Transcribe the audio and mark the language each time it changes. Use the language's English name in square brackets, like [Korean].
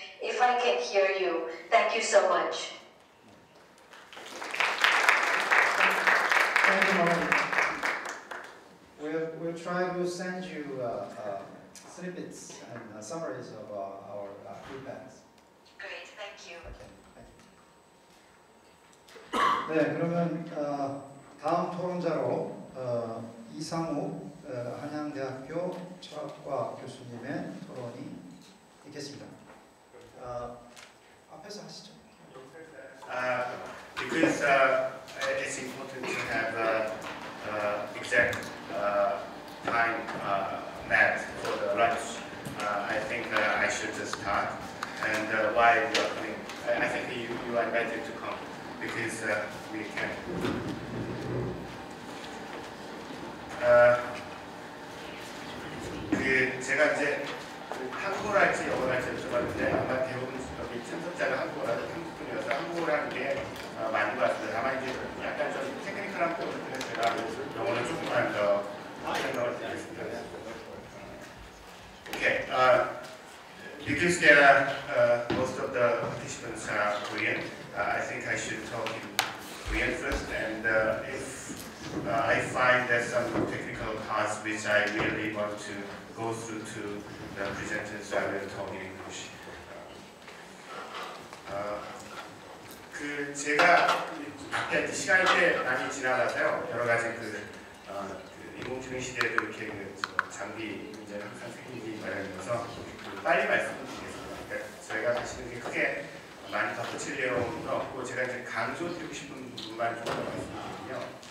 [English] If I can hear you, thank you so much. Thank you, Molly. We'll try to send you snippets and summaries of our feedback. Great, thank you. Okay. [Korean] 네, 그러면 다음 토론자로 이상우 한양대학교 철학과 교수님의 토론이 있겠습니다. 앞에서 하시죠. [English] Because it's important to have exact time met for the lunch, I think I should just start. And why you are coming? I think you are invited to come. Because we can. [Korean] The 제가 이제 한국어 할지 영어 할지 여쭤봤는데 아마 대부분 여기 참석자가 한국어라 한국분이어서 한국어를 하는 게 많은 것 같습니다. 다만 이제 약간 좀 테크니컬한 부분들은 제가 영어를 조금만 더 설명을 드리겠습니다. [English] Okay. Because there are most of the participants are Korean. I think I should talk in Korean first, and if I find there's some technical parts which I really want to go through to the presenters, I will talk in English. [Korean] 그 제가 앞에 시간이 꽤 많이 지나가서요, 여러 가지 그 인공지능 시대에 이렇게 그 장비 문제는 항상 생기기 마련이어서 빨리 말씀드리겠습니다. 그러니까 저희가 사실은 크게 많이 덧붙이려는 건 없고 제가 이제 강조드리고 싶은 부분만 조금 말씀드리면요.